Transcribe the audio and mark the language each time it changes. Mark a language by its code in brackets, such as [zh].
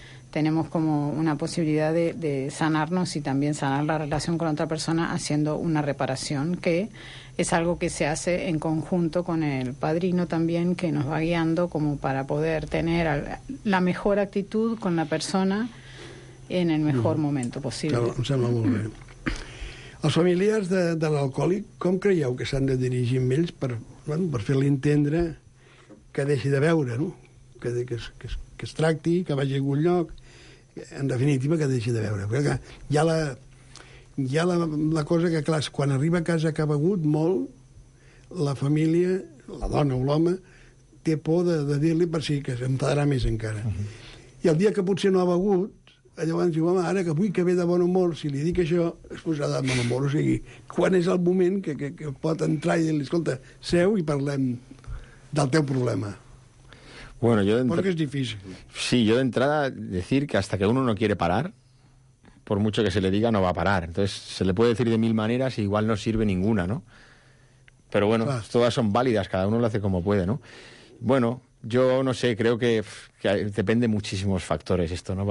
[es] Tenemos como una posibilidad de sanarnos y también sanar la relación con otra persona haciendo una reparación, que es algo que se hace en conjunto con el padrino también, que nos va guiando como para poder tener la mejor actitud con la persona en el mejor momento posible. [ca] Claro, em sembla molt bé. Els familiars de l'alcohòlic, com creieu que s'han de dirigir amb ells per fer-li entendre que deixi de beure, no? Que es tracti, que vagi a algun lloc, en definitiva, que deixi de beure. Perquè hi ha la cosa que, clar, quan arriba a casa que ha begut molt, la família, la dona o l'home, té por de dir-li per si que s'enfadarà més encara. Uh-huh. I el dia que potser no ha begut, llavors diu, home, ara que vull que ve de bon humor, si li dic això, es posarà de bon humor. O sigui, quan és el moment que pot entrar i dir-li, escolta, seu i parlem del teu problema. [es] Bueno, porque es difícil. Sí, yo de entrada decir que hasta que uno no quiere parar, por mucho que se le diga, no va a parar. Entonces, se le puede decir de mil maneras y igual no sirve ninguna, ¿no? Pero bueno, todas son válidas, cada uno lo hace como puede, ¿no? Bueno, yo no sé, creo que depende de muchísimos factores esto, ¿no?